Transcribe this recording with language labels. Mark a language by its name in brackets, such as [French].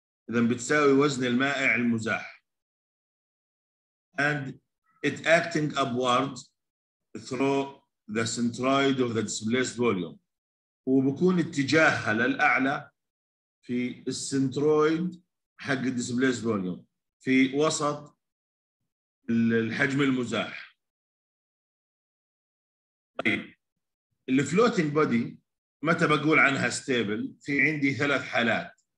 [Arabic] إذا بتساوي وزن المائع المزاح. [English] And it acting upward through the centroid of the displaced volume. [Arabic] وبكون اتجاهها للأعلى في السنترويد حق displaced volume في وسط الحجم المزاح. طيب، الفلوتينج بودي متى بقول عنها ستيبل؟ في عندي ثلاث حالات.